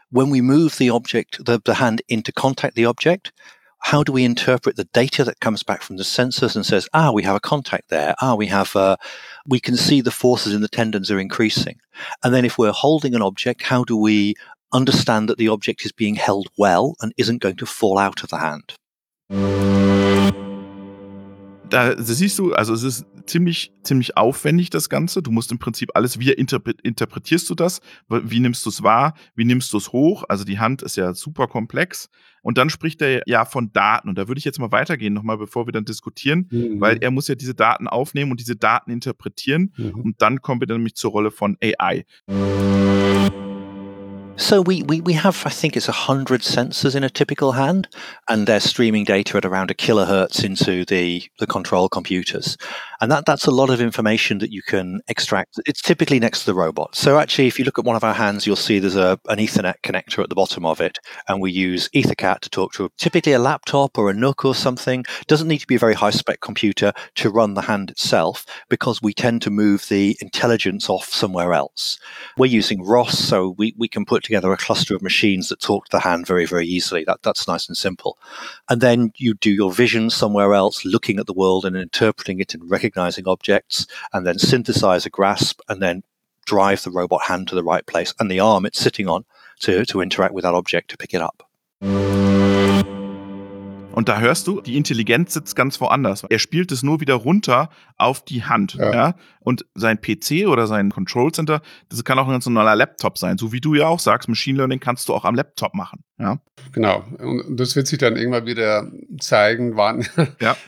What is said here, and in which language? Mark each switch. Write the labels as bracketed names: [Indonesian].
[English] When we move the object, the hand into contact the object, how do we interpret the data that comes back from the sensors and says, ah, we have a contact there. Ah, we can see the forces in the tendons are increasing. And then if we're holding an object, how do we understand that the object is being held well and isn't going to fall out of the hand? [German] Da siehst du, also es ist ziemlich, ziemlich aufwendig, das Ganze. Du musst im Prinzip alles, wie interpretierst du das? Wie nimmst du es wahr? Wie nimmst du es hoch? Also die Hand ist ja super komplex. Und dann spricht er ja von Daten. Und da würde ich jetzt mal weitergehen nochmal, bevor wir dann diskutieren, weil er muss ja diese Daten aufnehmen und diese Daten interpretieren. Mhm. Und dann kommen wir dann nämlich zur Rolle von AI. [English] So we have, I think it's 100 sensors in a typical hand, and they're streaming data at around a kilohertz into the control computers. And that's a lot of information that you can extract. It's typically next to the robot. So actually, if you look at one of our hands, you'll see there's an Ethernet connector at the bottom of it. And we use EtherCAT to talk to typically a laptop or a Nook or something. Doesn't need to be a very high spec computer to run the hand itself, because we tend to move the intelligence off somewhere else. We're using ROS, so we can put together a cluster of machines that talk to the hand very, very easily. That's nice and simple. And then you do your vision somewhere else, looking at the world and interpreting it and recognizing objects, and then synthesize a grasp, and then drive the robot hand to the right place and the arm it's sitting on to interact with that object to pick it up. [German] Und da hörst du, die Intelligenz sitzt ganz woanders. Er spielt es nur wieder runter auf die Hand. Ja. Ja? Und sein PC oder sein Control Center, das kann auch ein ganz normaler Laptop sein. So wie du ja auch sagst, Machine Learning kannst du auch am Laptop machen. Ja? Genau. Und das wird sich dann irgendwann wieder zeigen, wann. Ja.